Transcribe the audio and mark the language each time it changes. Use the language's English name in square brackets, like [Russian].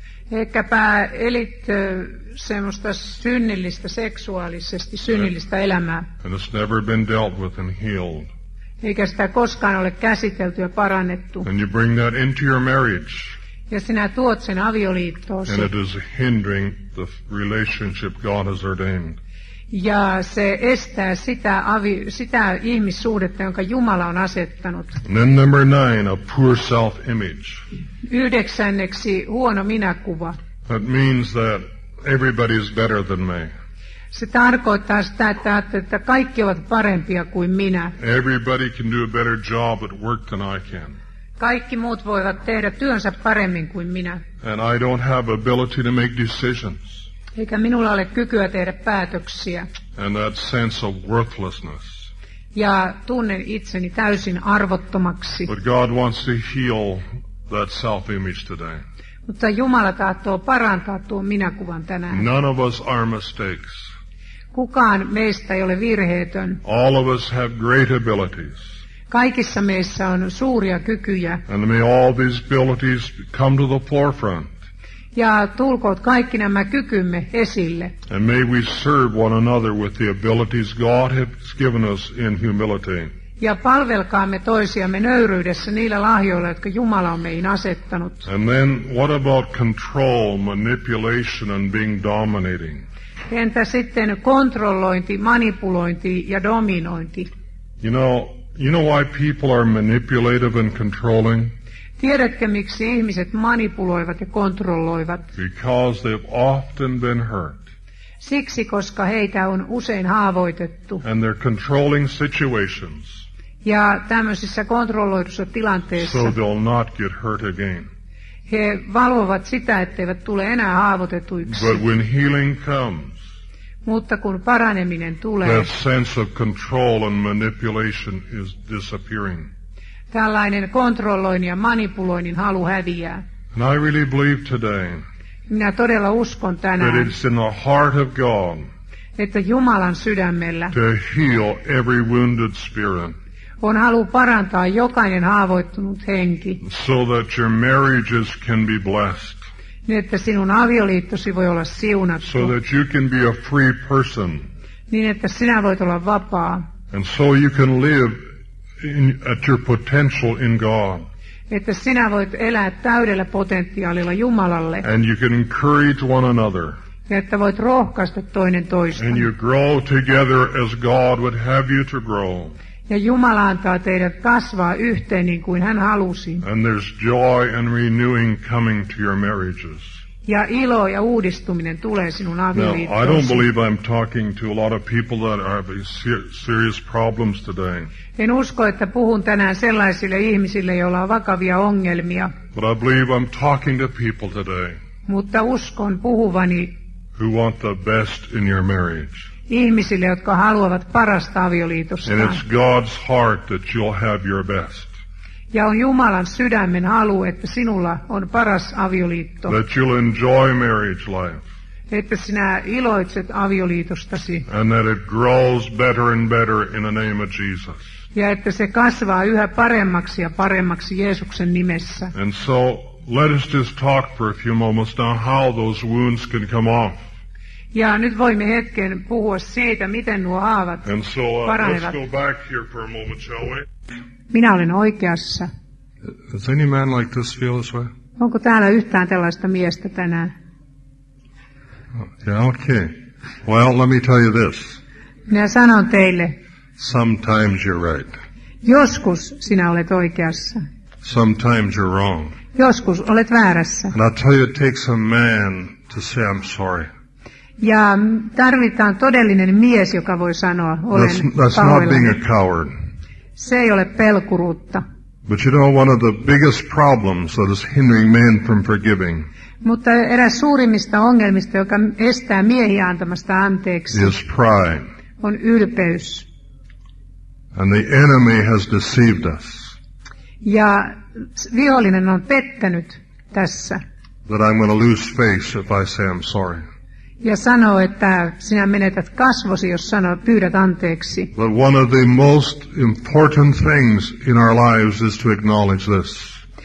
[Finnish] Ehkäpä elit semmoista synnillistä, seksuaalisesti synnillistä elämää. [English] And it's never been dealt with and healed. [Finnish] Eikä sitä koskaan ole käsitelty ja parannettu. [English] And you bring that into your marriage. [Finnish] Ja sinä tuot sen avioliittoosi. [English] And it is hindering the relationship God has ordained. [Finnish] Ja se estää sitä ihmissuhdetta, jonka Jumala on asettanut. [English] And then number nine, a poor self-image. [Finnish] Yhdeksänneksi huono minäkuva. [English] That means that everybody is better than me. [Finnish] Se tarkoittaa sitä, että kaikki ovat parempia kuin minä. [English] Everybody can do a better job at work than I can. [Finnish] Kaikki muut voivat tehdä työnsä paremmin kuin minä. [English] And I don't have ability to make decisions. [Finnish] Eikä minulla ole kykyä tehdä päätöksiä. [English] And that sense of worthlessness. [Finnish] Ja tunnen itseni täysin arvottomaksi. [English] But God wants to heal that self-image today. [Finnish] Mutta Jumala tahtoo parantaa tuon minäkuvan tänään. [English] None of us are mistakes. [Finnish] Kukaan meistä ei ole virheetön. [English] All of us have great abilities. [Finnish] Kaikissa meissä on suuria kykyjä. [English] And may all these abilities come to the forefront. [Finnish] Ja tulkoot kaikki nämä kykymme esille. [English] And may we serve one another with the abilities God has given us in humility. [Finnish] Ja palvelkaamme toisiamme nöyryydessä niillä lahjoilla, jotka Jumala on meihin asettanut. [English] And then, what about control, manipulation and being dominating? [Finnish] Entä sitten kontrollointi, manipulointi ja dominointi? [English] You know why people are manipulative and controlling? [Finnish] Tiedätkö, miksi ihmiset manipuloivat ja kontrolloivat? [English] Because they've often been hurt. [Finnish] Siksi, koska heitä on usein haavoitettu. [English] And they're controlling situations. [Finnish] ja tämmöisissä kontrolloidussa tilanteessa. [English] So they'll not get hurt again. [Finnish] He valvovat sitä, etteivät tule enää haavoitetuiksi. [English] But when healing comes, [Finnish] mutta kun paraneminen tulee, [English] that sense of control and manipulation is disappearing. [Finnish] Tällainen kontrolloin ja manipuloinnin halu häviää. [English] And I really believe today, [Finnish] minä todella uskon tänään, [English] that it's in the heart of God, [Finnish] että Jumalan sydämellä [English] to heal every wounded spirit, [Finnish] on halu parantaa jokainen haavoittunut henki, [English] so that your marriages can be blessed, [Finnish] niin että sinun avioliittosi voi olla siunattu, [English] so that you can be a free person, [Finnish] niin että sinä voit olla vapaa, [English] and so you can live in, at your potential in God, [Finnish] että sinä voit elää täydellä potentiaalilla Jumalalle, [English] and you can encourage one another, [Finnish] ja että voit rohkaista toinen toista, [English] and you grow together as God would have you to grow, [Finnish] ja Jumala antaa teidät kasvaa yhteen niin kuin hän halusi. [English] And there's joy and renewing coming to your marriages. [Finnish] Ja ilo ja uudistuminen tulee sinun avioliittoosi. [English] Now, I don't believe I'm talking to a lot of people that have serious problems today. [Finnish] En usko, että puhun tänään sellaisille ihmisille, joilla on vakavia ongelmia. [English] But I believe I'm talking to people today. [Finnish] Mutta uskon puhuvani. [English] Who want the best in your marriage. [Finnish] Ihmisille, jotka haluavat parasta avioliitosta. [English] And it's God's heart that you'll have your best. [Finnish] Ja on Jumalan sydämen halu, että sinulla on paras avioliitto. [English] That you'll enjoy marriage life. [Finnish] Että sinä iloitset avioliitostasi. [English] And that it grows better and better in the name of Jesus. [Finnish] Ja että se kasvaa yhä paremmaksi ja paremmaksi Jeesuksen nimessä. [English] And so let us just talk for a few moments now how those wounds can come off. [Finnish] Ja nyt voimme hetken puhua siitä, miten nuo haavat paranevat. [English] Let's go back here for a moment, shall we? [Finnish] Minä olen oikeassa. [English] Does any man like this feel this way? [Finnish] Onko täällä yhtään tällaista miestä tänään? [English] Yeah, okay. Well, let me tell you this. [Finnish] Minä sanon teille. [English] Sometimes you're right. [Finnish] Joskus sinä olet oikeassa. [English] Sometimes you're wrong. [Finnish] Joskus olet väärässä. [English] And I'll tell you, it takes a man to say I'm sorry. [Finnish] Ja tarvitaan todellinen mies, joka voi sanoa, olen pahoillani. Se ei ole pelkuruutta. [English] But you know, one of the biggest problems that is hindering men from forgiving. [Finnish] Mutta eräs suurimmista ongelmista, joka estää miehiä antamasta anteeksi, [English] is pride. [Finnish] On ylpeys. [English] And the enemy has deceived us. [Finnish] Ja vihollinen on pettänyt tässä. [English] That I'm going to lose face if I say I'm sorry. [Finnish] Ja sanoo, että sinä menetät kasvosi, jos sanoo, pyydät anteeksi. [English] But one of the most important things in our lives is to acknowledge this.